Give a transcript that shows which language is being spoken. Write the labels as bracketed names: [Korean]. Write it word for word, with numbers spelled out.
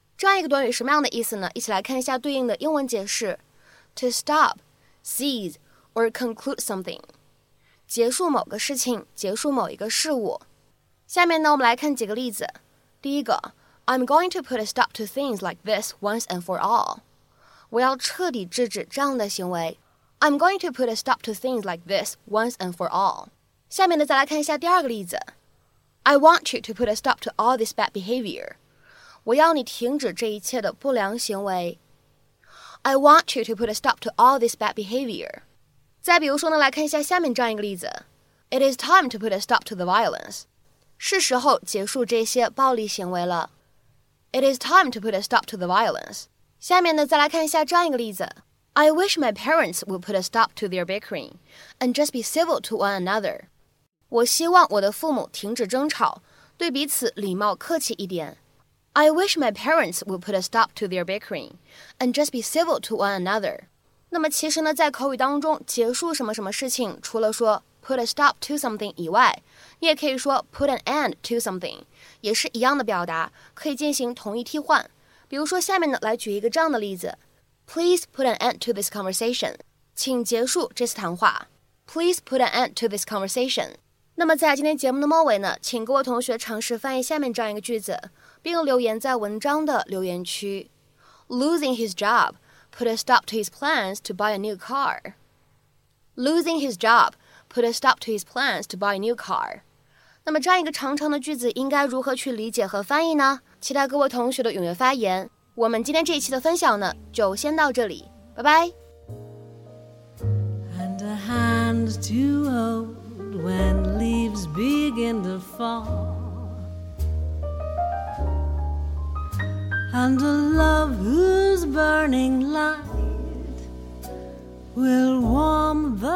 [Chinese] 这样一个短语什么样的意思呢？一起来看一下对应的英文解释 ： [English] to stop, cease, or conclude something， [Chinese] 结束某个事情，结束某一个事物。下面呢，我们来看几个例子。第一个。 [English] I'm going to put a stop to things like this once and for all. [Chinese] 我要彻底制止这样的行为。 [English] I'm going to put a stop to things like this once and for all. [Chinese] 下面呢，再来看一下第二个例子。 [English] I want you to put a stop to all this bad behavior. [Chinese] 我要你停止这一切的不良行为。 [English] I want you to put a stop to all this bad behavior. [Chinese] 再比如说呢，来看一下下面这样一个例子。 [English] It is time to put a stop to the violence. [Chinese] 是时候结束这些暴力行为了。 [English] It is time to put a stop to the violence. [Chinese] 下面呢，再来看一下这样一个例子。 [English] I wish my parents would put a stop to their bickering and just be civil to one another. [Chinese] 我希望我的父母停止争吵，对彼此礼貌客气一点。 [English] I wish my parents would put a stop to their bickering and just be civil to one another. [Chinese] 那么其实呢，在口语当中，结束什么什么事情，除了说 [English] put a stop to something [Chinese] 以外，你也可以说 [English] put an end to something， [Chinese] 也是一样的表达，可以进行同义替换。比如说下面呢，来举一个这样的例子 ： [English] Please put an end to this conversation. [Chinese] 请结束这次谈话。 [English] Please put an end to this conversation. [Chinese] 那么在今天节目的末尾呢，请各位同学尝试翻译下面这样一个句子，并留言在文章的留言区。 [English] Losing his job put a stop to his plans to buy a new car. Losing his job put a stop to his plans to buy a new car. [Chinese] 那么这样一个长长的句子应该如何去理解和翻译呢？期待各位同学的踊跃发言。我们今天这一期的分享呢，就先到这里，拜拜。 [English] And a hand too old. When leaves begin to fall, and a love whose burning light will warm